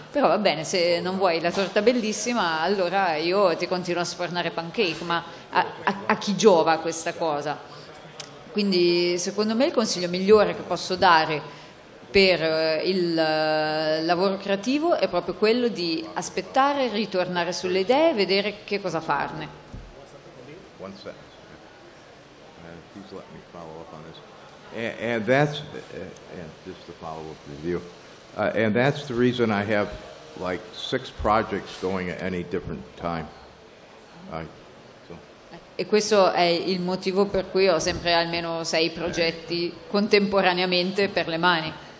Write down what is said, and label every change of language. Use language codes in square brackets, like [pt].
[it] Però va bene, se non vuoi la torta bellissima, allora io ti continuo a sfornare pancake, ma a chi giova questa cosa? Quindi secondo me il consiglio migliore che posso dare per il lavoro creativo è proprio quello di aspettare, ritornare sulle idee e vedere che cosa farne. [en] One sentence. Please let me follow up on this. And that's, and just to follow up with you, and that's the reason I have like 6 projects going at any different time. [it] E questo è il motivo per cui ho sempre almeno 6 progetti contemporaneamente per le mani.